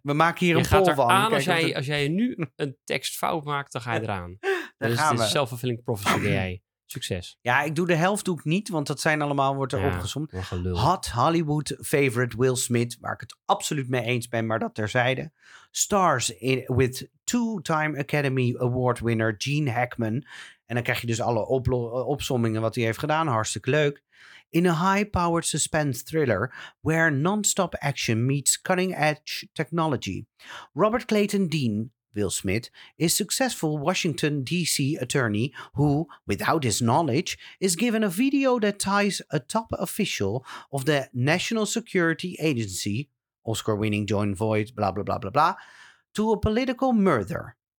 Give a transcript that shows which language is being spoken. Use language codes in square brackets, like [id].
[nl] We maken hier je een pol van. Aan als jij nu een tekst fout maakt, dan ga je eraan. Dan gaan we. Dat is self-fulfilling prophecy, ben jij. Succes. Ja, ik doe de helft doe ik niet, want dat zijn allemaal, wordt er opgezomd. [en] Hot Hollywood favorite Will Smith, [nl] waar ik het absoluut mee eens ben, maar dat terzijde. [en] Stars with two-time Academy Award winner Gene Hackman. [nl] En dan krijg je dus alle opsommingen wat hij heeft gedaan. Hartstikke leuk. [en] In a high-powered suspense thriller where non-stop action meets cutting-edge technology. Robert Clayton Dean, Will Smith, is successful Washington DC attorney who, without his knowledge, is given a video that ties a top official of the National Security Agency, Oscar-winning John Voight, blah, blah, blah, blah, blah, to a political murder.